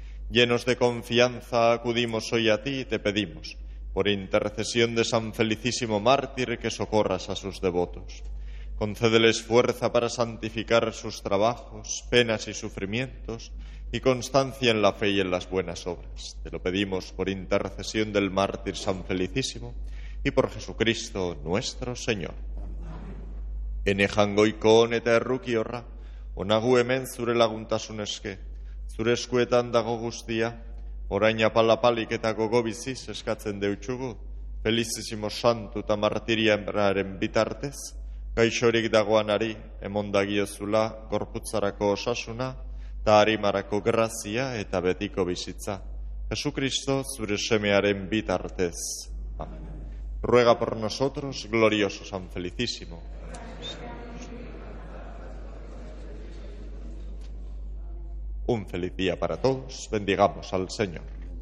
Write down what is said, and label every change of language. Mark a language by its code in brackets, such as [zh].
[es] Llenos de confianza, acudimos hoy a ti y te pedimos, por intercesión de San Felicísimo Mártir, que socorras a sus devotos. Concédeles fuerza para santificar sus trabajos, penas y sufrimientos, y constancia en la fe y en las buenas obras. Te lo pedimos por intercesión del mártir San Felicísimo y por Jesucristo nuestro Señor. [eu] Ene jangoikon eta errukiorra, onagu hemen zure laguntasunezke, zure eskuetan dago guztia, orain apalapalik eta gogo biziz eskatzen deutxugu, Felicísimo santu eta martiria enbraren bitartez, gaixorik dagoanari, emondagiozula, gorputzarako osasuna, ta arimarako grazia eta betiko bizitza. Jesucristo, zure semearen bitartez. Amen. [es] Ruega por nosotros, glorioso San Felicísimo. Un feliz día para todos. Bendigamos al Señor.